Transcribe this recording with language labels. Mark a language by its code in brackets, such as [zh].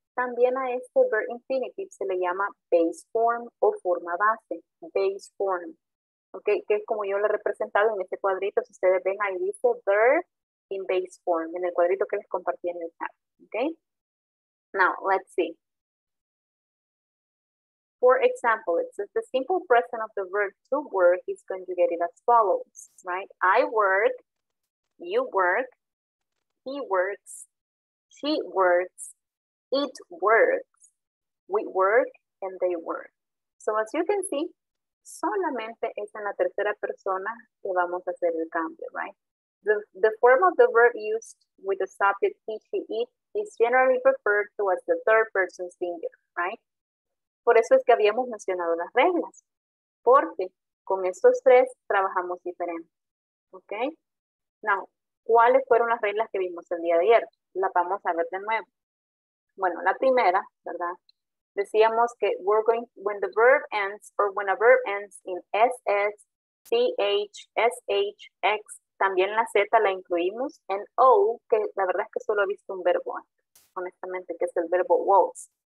[es] También a este verb infinitive se le llama base form o forma base, base form, okay, que es como yo lo he representado en este cuadrito. Si ustedes ven, ahí dice verb in base form, en el cuadrito que les compartí en el chat, okay? [en] Now, let's see. For example, it says the simple present of the verb to work is conjugated as follows, right? I work, you work, he works, she works, it works, we work, and they work. So as you can see, [es] solamente es en la tercera persona que vamos a hacer el cambio, right? [en] The form of the verb used with the subject he, she, it is generally referred to as the third person singular, right? [es] Por eso es que habíamos mencionado las reglas, porque con estos tres trabajamos diferente, okay? Now, ¿cuáles fueron las reglas que vimos el día de ayer? Las vamos a ver de nuevo. Bueno, la primera, ¿verdad? Decíamos que [en] we're going, when the verb ends, or when a verb ends in [es] SS, CH, SH, X, también la Z la incluimos, and O, que la verdad es que solo he visto un verbo antes, honestamente, que es el verbo waltz.